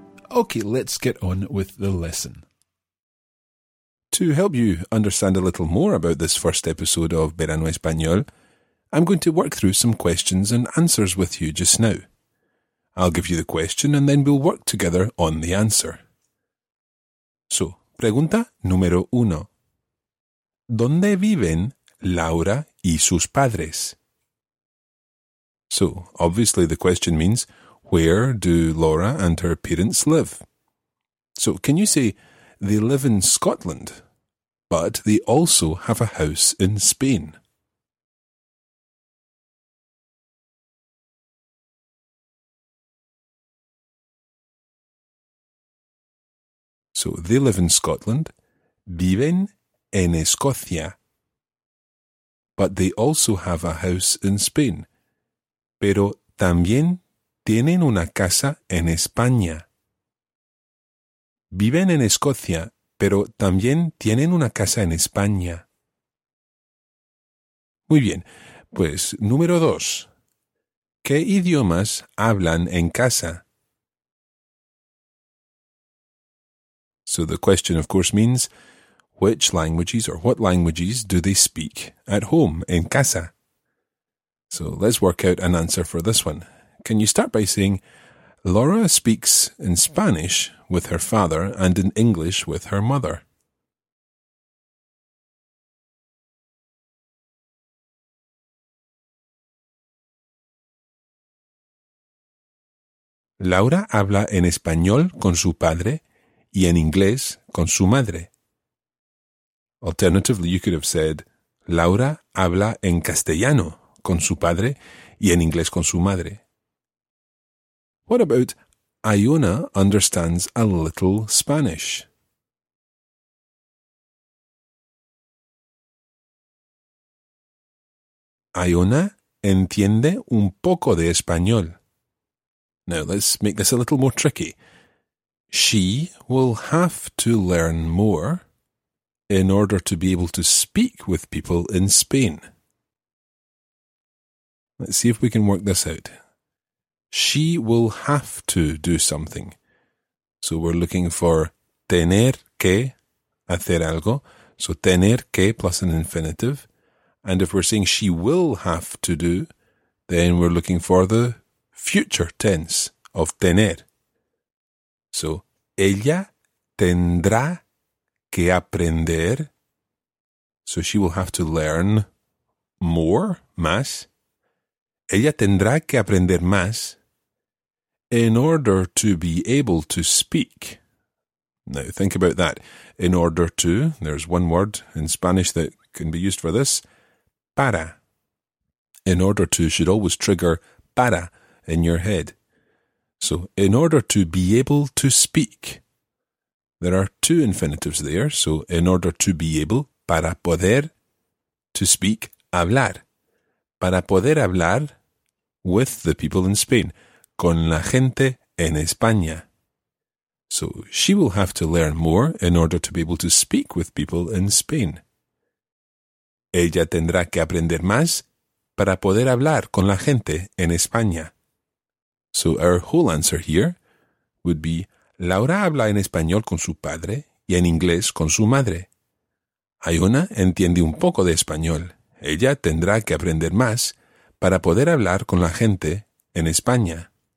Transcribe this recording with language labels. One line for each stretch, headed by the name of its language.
English: Okay, let's get on with the lesson. To help you understand a little more about this first episode of Verano Español, I'm going to work through some questions and answers with you just now. I'll give you the question and then we'll work together on the answer.
Spanish: So, pregunta número uno. ¿Dónde viven Laura y sus padres?
English: So, obviously the question means, where do Laura and her parents live? So, can you say, they live in Scotland, but they also have a house in Spain? So, they live in Scotland,
Spanish: viven en Escocia,
English: but they also have a house in Spain.
Spanish: Pero también tienen una casa en España. Viven en Escocia, pero también tienen una casa en España. Muy bien, pues, número dos. ¿Qué idiomas hablan en casa?
English: So the question, of course, means which languages or what languages do they speak at home,
Spanish: en casa?
English: So let's work out an answer for this one. Can you start by saying, Laura speaks in Spanish with her father and in English with her mother?
Spanish: Laura habla en español con su padre y en inglés con su madre.
English: Alternatively, you could have said,
Spanish: Laura habla en castellano con su padre y en inglés con su madre.
English: What about Iona understands a little Spanish?
Spanish: Iona entiende un poco de español.
English: Now, let's make this a little more tricky. She will have to learn more in order to be able to speak with people in Spain. Let's see if we can work this out. She will have to do something. So we're looking for
Spanish: tener que hacer algo.
English: So
Spanish: tener que
English: plus an infinitive. And if we're saying she will have to do, then we're looking for the future tense of tener.
Spanish: So ella tendrá que aprender.
English: So she will have to learn more, más.
Spanish: Ella tendrá que aprender más
English: in order to be able to speak. Now, think about that. In order to, there's one word in Spanish that can be used for this, para. In order to should always trigger para in your head. So, in order to be able to speak. There are two infinitives there, so in order to be able,
Spanish: para poder,
English: to speak, hablar.
Spanish: Para poder hablar
English: with the people in Spain,
Spanish: con la gente en España.
English: So she will have to learn more in order to be able to speak with people in Spain.
Spanish: Ella tendrá que aprender más para poder hablar con la gente en España.
English: So our whole answer here would be,
Spanish: Laura habla en español con su padre y en inglés con su madre. Ayona entiende un poco de español. Ella tendrá que aprender más para poder hablar con la gente en España.